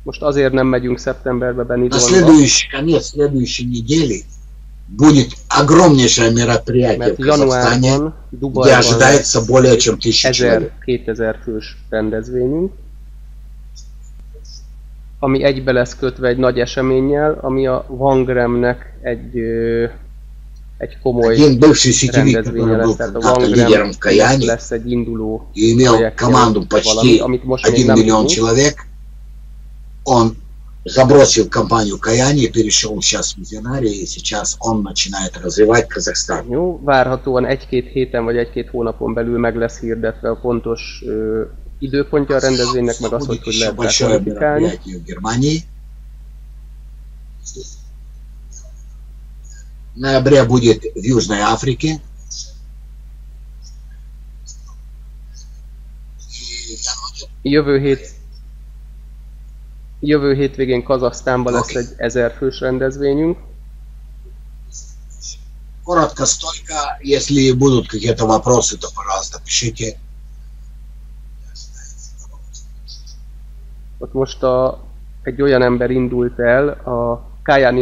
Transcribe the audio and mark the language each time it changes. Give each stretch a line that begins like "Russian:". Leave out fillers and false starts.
Russian: На следующий конец, следующей недели будет огромнейшее мероприятие в Казахстане, где ожидается более чем 1000 человек.
Hungarian: Ami egybe lesz kötve egy nagy eseménnyel, ami a Wangramnek egy komoly rendezvénye lesz. Tehát a Wangram lesz egy induló projekt, amit most még nem tudunk.
Russian: Он забросил компанию Каяни, перешел сейчас в Визионари, и сейчас он начинает развивать Казахстан.
Hungarian: Ну, várhatóan egy-két héten vagy egy-két hónapon belül meg lesz hirdetve a pontos időpontja a rendezvénynek, meg az, hogy hogy lehet bekvalifikálni.
Russian: Ноябре будет в Южной Африке.
Hungarian: Jövő hétvégén Kazahsztánban lesz egy 1000 fős rendezvényünk.
Russian: Коротко столько, если будут какие-то вопросы, то пожалуйста, пишите.
Hungarian: Ott most egy olyan ember indult el, a Kajani